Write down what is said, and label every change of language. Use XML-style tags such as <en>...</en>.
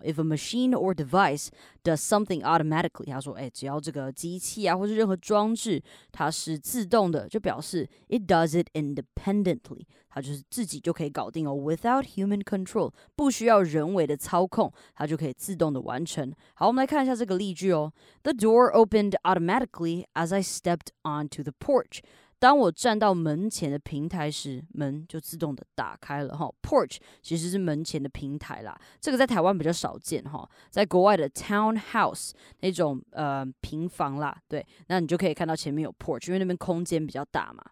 <en>If a machine or device does something automatically，</en> <zh>他说哎，只要这个机器啊或是任何装置它是自动的，就表示</zh> <en>it does it independently，</en> <zh>它就是自己就可以搞定哦 ，</zh> <en>without human control，</en> <zh>不需要人为的操控，它就可以自动的完成。好，我们来看一下这个例句哦。</zh> <en>The door opened automatically as I stepped onto the porch。</en> <zh>当我站到门前的平台时，门就自动的打开了哈。 Porch 其实是门前的平台啦，这个在台湾比较少见哈。在国外的 townhouse 那种平房啦，对，那你就可以看到前面有 porch， 因为那边空间比较大嘛。</zh>